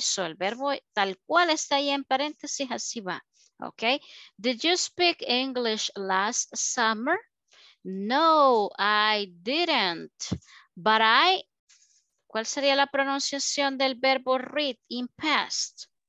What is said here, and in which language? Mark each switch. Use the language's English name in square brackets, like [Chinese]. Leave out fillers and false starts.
[Spanish] So, el verbo tal cual está ahí en paréntesis, así va, okay? [English] Did you speak English last summer? No, I didn't, but I [Spanish] ¿Cuál sería la pronunciación del verbo read in past?